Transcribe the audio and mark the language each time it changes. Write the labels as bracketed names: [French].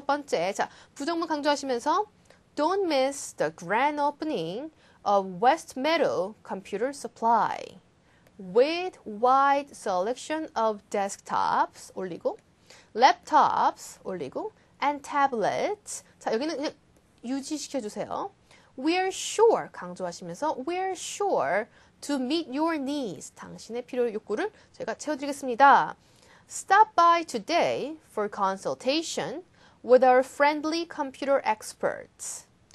[English] 첫 번째. [Korean] 자, 부정문 강조하시면서 [English] Don't miss the grand opening of West Meadow Computer Supply with wide selection of desktops [Korean] 올리고 [English] laptops 올리고 and tablets. [Korean] 자, 여기는 그냥 유지시켜 주세요. [English] We're sure [Korean] 강조하시면서 [English] We're sure to meet your needs. [Korean] 당신의 필요 욕구를 제가 채워드리겠습니다. [English] Stop by today for consultation with our friendly computer experts.